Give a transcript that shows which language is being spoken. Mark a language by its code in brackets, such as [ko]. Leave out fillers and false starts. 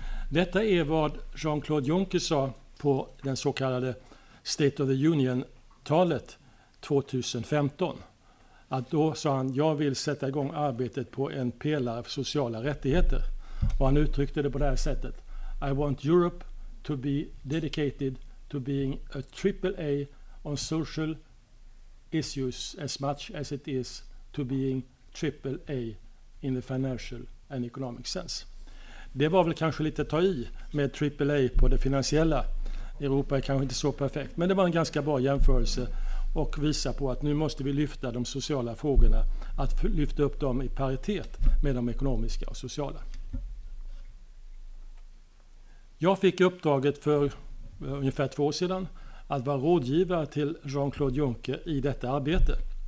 [sv] Detta är vad Jean-Claude Juncker sa på den så kallade State of the Union-talet 2015. Att då sa han, jag vill sätta igång arbetet på en pelare för sociala rättigheter. Och han uttryckte det på det här sättet. [en] I want Europe to be dedicated to being a triple A on social issues as much as it is to being triple A in the financial and economic sense. [sv] Det var väl kanske lite ta i med triple A på det finansiella. Europa är kanske inte så perfekt, men det var en ganska bra jämförelse och visa på att nu måste vi lyfta de sociala frågorna, att lyfta upp dem i paritet med de ekonomiska och sociala. Jag fick uppdraget för ungefär 2 år sedan att vara rådgivare till Jean-Claude Juncker i detta arbete.